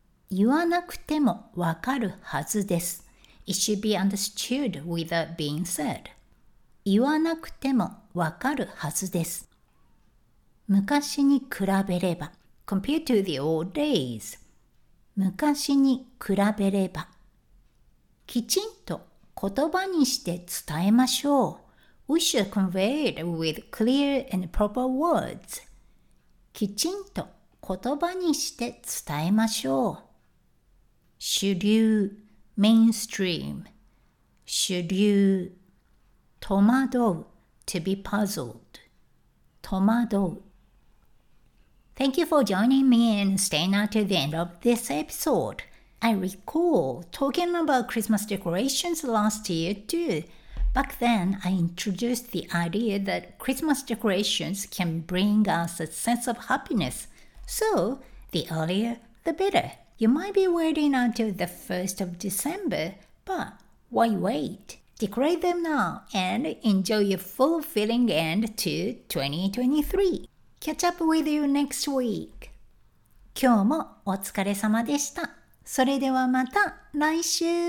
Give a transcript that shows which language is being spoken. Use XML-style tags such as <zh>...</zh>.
<ja>言わなくてもわかるはずです。</ja> <en>It should be understood without being said.</en> <ja>言わなくてもわかるはずです。昔に比べれば。</ja> <en>Compared to the old days.</en> <ja>昔に比べれば。きちんと言葉にして伝えましょう。</ja> <en>We should convey it with clear and proper words.</en> <ja>きちんと言葉にして伝えましょう。主流、mainstream, 主流、戸惑う、</ja> <en>to be puzzled,</en> <ja>戸惑う。</ja> <en>Thank you for joining me and staying until the end of this episode. I recall talking about Christmas decorations last year too. Back then, I introduced the idea that Christmas decorations can bring us a sense of happiness. So, the earlier, the better. You might be waiting until the 1st of December, but why wait? Decorate them now and enjoy your fulfilling end to 2023. Catch up with you next week.</en> <ja>今日もお疲れ様でした。それではまた来週。</ja>